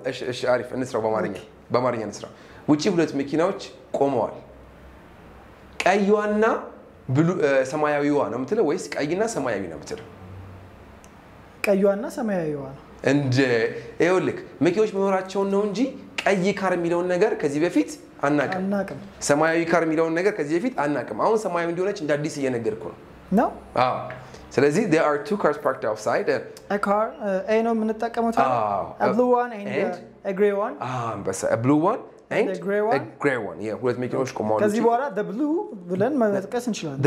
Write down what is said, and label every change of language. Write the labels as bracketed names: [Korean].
[Amharic] እሺ እሺ አሪፍ እንስራው በማርኛ እንስራው ውጪ ሁለት mekinoch ቆመዋል ቀይዋና ብሉ ሰማያዊዋ ነው የምትለው ወይስ ቀይና ሰማያዊ ነው የምትለው ቀይዋና ሰማያዊዋ ነው እንደ ኤውልክ መኪኖች መኖራቸው ነው እንጂ ቀይ ካር የሚለውን ነገር ከዚህ በፊት አናቀም ሰማያዊ ካር የሚለውን ነገር ከዚህ በፊት አናቀም አሁን ሰማያዊ እንደሆነች እንደ አዲስ እየነገርኩ ነው ነው አዎ ስለዚህ [English] there are two cars parked outside a car a no ምንጠቀመው [Amharic] አዎ [English] a blue one and a gray one አዎ በሰ a blue one and a gray one yeah with መኪኖች [Amharic] ኮማንድ ከዚህ በኋላ the blue ብለን መጥቀስ እንችላለን